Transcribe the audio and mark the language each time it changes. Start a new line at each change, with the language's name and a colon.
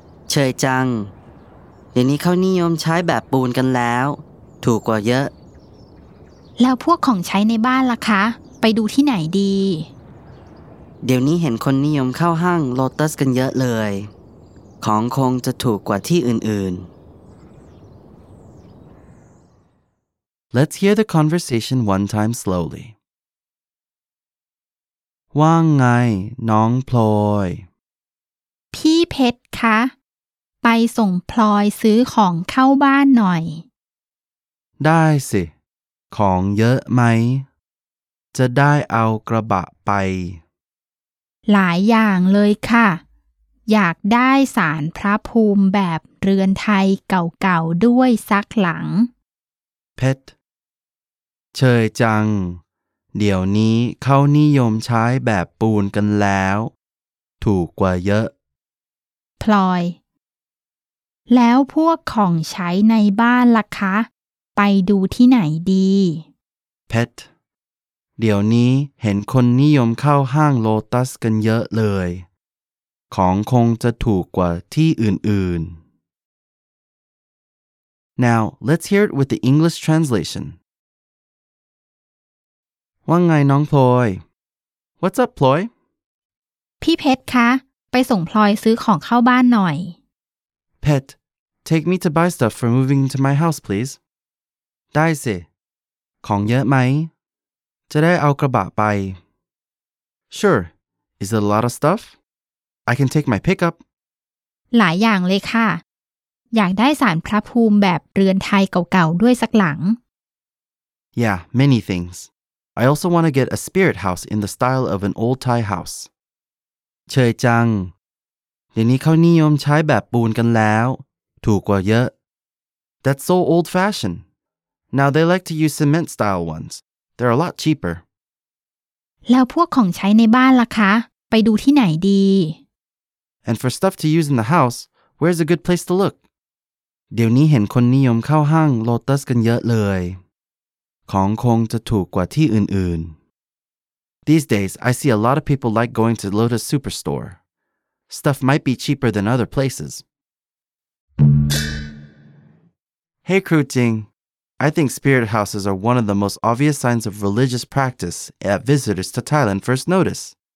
Thai: เฉยจังเดี๋ยวนี้เขานิยมใช้แบบปูนกันแล้วถูกกว่าเยอะ แล้วพวกของใช้ในบ้านล่ะคะไปดูที่ไหนดี เดี๋ยวนี้เห็นคนนิยมเข้าห้างโลตัสกันเยอะเลยของคงจะถูกกว่าที่อื่น
English: ๆ Let's hear the conversation one time slowly.
Thai: ว่าไงน้องพลอย พี่เพชรคะไปส่งพลอยซื้อของเข้าบ้านหน่อย ได้สิของเยอะไหมจะได้เอากระบะไป หลายอย่างเลยค่ะอยากได้ศาลพระภูมิแบบเรือนไทยเก่าๆด้วยซักหลัง เพชรเชยจังเดี๋ยวนี้เขานิยมใช้แบบปูนกันแล้วถูกกว่าเยอะ พลอยแล้วพวกของใช้ในบ้านล่ะคะไปดูที่ไหนดี เพชรเดี๋ยวนี้เห็นคนนิยมเข้าห้างโลตัสกันเยอะเลยของคงจะถูกกว่าที่อื่น
English: ๆ Now, let's hear it with the English translation.
Thai: ว่าไงน้องพลอย
English: What's up,
Thai: พลอย พี่เพชรคะไปส่งพลอยซื้อของเข้าบ้านหน่อย
English: Pet, take me to buy stuff for moving to my house, please.
Thai: ได้สิของเยอะไหมจะได้เอากระบะไป
English: Sure. Is it a lot of stuff? I can take my pickup.
Thai: หลายอย่างเลยค่ะอยากได้ศาลพระภูมิแบบเรือนไทยเก่าๆด้วยสักหลัง
English: Yeah, many things. I also want to get a spirit house in the style of an old Thai house.
Thai: เฉยจังเดี๋ยวนี้เขานิยมใช้แบบปูนกันแล้วถูกกว่าเยอะ
English: That's so old-fashioned. Now they like to use cement style ones. They're a lot cheaper.
Thai: แล้วพวกของใช้ในบ้านล่ะคะไปดูที่ไหนดี
English: And for stuff to use in the house, where's a good place to look?
Thai: เดี๋ยวนี้เห็นคนนิยมเข้าห้างโลตัสกันเยอะเลยของคงจะถูกกว่าที่อื่น
English: ๆ These days, I see a lot of people like going to Lotus Superstore. Stuff might be cheaper than other places. Hey, Kru Ting. I think spirit houses are one of the most obvious signs of religious practice that visitors to Thailand first notice.